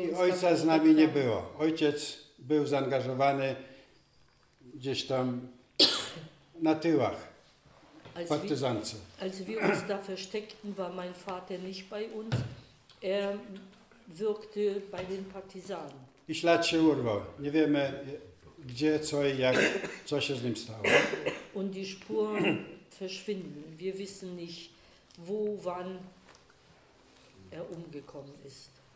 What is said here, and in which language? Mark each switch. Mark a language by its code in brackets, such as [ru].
[de] uns. [pl] I ojca z nami nie było. Ojciec był zaangażowany gdzieś tam na tyłach. [de] Als wir uns da versteckten, war mein Vater nicht bei uns. Er wirkte bei den Partisanen. [pl] I ślad się urwał. Nie wiemy gdzie, co i jak, co się z nim stało. [de] Und die Spuren verschwinden. Wir wissen nicht, wo, wann er umgekommen ist.